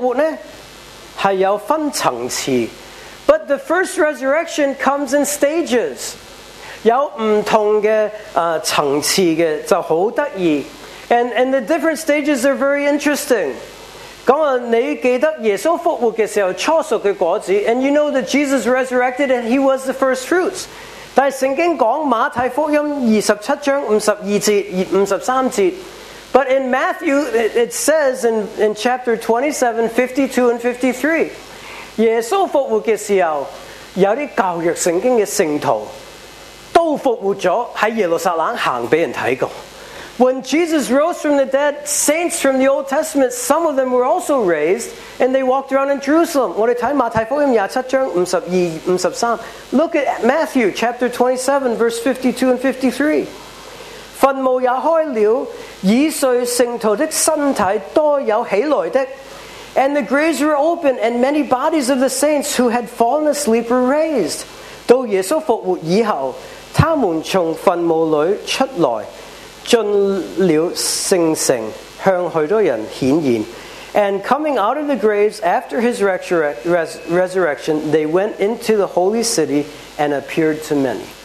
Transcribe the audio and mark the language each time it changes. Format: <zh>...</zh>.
<zh>但是第一次的复活呢，是有分层次。</zh> <en>But the first resurrection comes in stages.</en> <zh>有不同的层次的，就很有趣。</zh> <en>And the different stages are very interesting.</en> <zh>你记得耶稣复活的时候初熟的果子，</zh> <en>and you know that Jesus resurrected and he was the first fruits.</en> <zh>但圣经讲马太福音27章52节、53节，</zh> <en>but in Matthew it says in chapter 27:52 and 53，</en> <zh>耶稣复活的时候，有些旧约圣经的圣徒都复活了，在耶路撒冷行给人看过。</zh> <en>When Jesus rose from the dead, saints from the Old Testament, some of them were also raised, and they walked around in Jerusalem.</en> <zh>我们看马太福音27章52、53。</zh> <en>Look at Matthew chapter 27:52 and 53. And the graves were open, and many bodies of the saints who had fallen asleep were raised.</en> <zh>到耶稣复活以后，他们从坟墓里出来。尽了圣城，向许多人显现。</zh> <en>And coming out of the graves after his resurrection, they went into the holy city and appeared to many.</en>